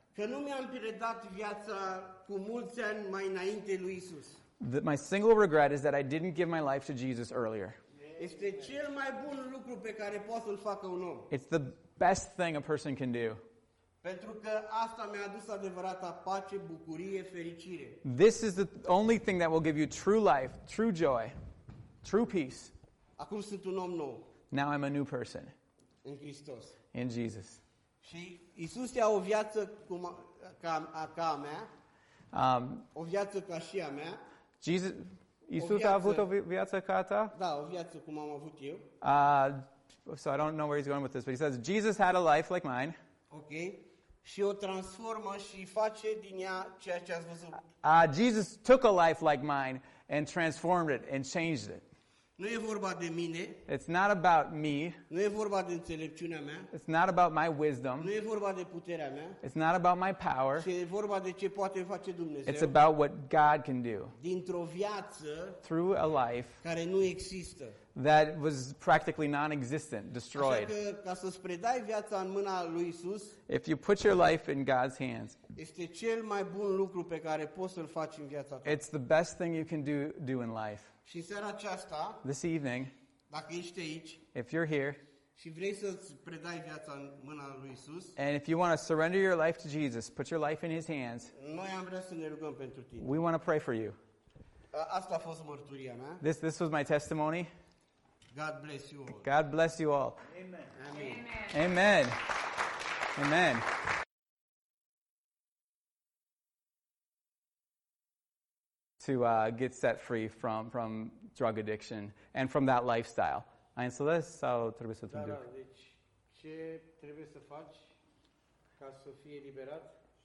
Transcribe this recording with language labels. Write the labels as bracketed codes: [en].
[ro] Că nu mi-am predat viața cu mulți ani mai înainte lui Iisus. [en] My single regret is that I didn't give my life to Jesus earlier. [ro] Este cel mai bun lucru pe care poate să-l facă un om. [en] It's the best thing a person can do. [ro] Pentru că asta mi-a adus adevărata pace, bucurie, fericire. [en] This is the only thing that will give you true life, true joy, true peace. [ro] Acum sunt un om nou. [en] Now I'm a new person. [ro] În Hristos. [en] In Jesus. [ro] Și Iisus ia o viață cum ca a mea. O viață ca și a mea. Iisus a avut o viață ca a ta? Da, o viață cum am avut eu. [en] So I don't know where he's going with this, but he says Jesus had a life like mine. Okay. [ro] Și o transformă și face din ea ceea ce ați văzut. [en] Jesus took a life like mine and transformed it and changed it. [ro] Nu e vorba de mine. [en] It's not about me. [ro] Nu e vorba de înțelepciunea mea. [en] It's not about my wisdom. [ro] Nu e vorba de puterea mea. [en] It's not about my power. [ro] Și e vorba de ce poate face Dumnezeu. [en] It's about what God can do. [ro] Dintr-o viață. [en] Through a life. [ro] Care nu există. [en] That was practically non-existent, destroyed. [ro] Așa că, ca să-ți predai viața în mâna lui Iisus, [en] if you put your life in God's hands, [ro] este cel mai bun lucru pe care poți să-l faci în viața ta. [en] It's the best thing you can do in life. [ro] Și în seara aceasta, [en] this evening, [ro] dacă ești aici, [en] if you're here, [ro] și vrei să-ți predai viața în mâna lui Iisus, [en] and if you want to surrender your life to Jesus, put your life in His hands, [ro] noi am vrea să ne rugăm pentru tine. [en] We want to pray for you. [ro] Asta a fost mărturia mea. [en] This was my testimony. God bless you all. God bless you all. Amen. Amen. Amen. Amen. To get set free from drug addiction and from that lifestyle. And so that's how [ro] trebuie să te duc. Da, deci ce trebuie să faci ca să fii eliberat?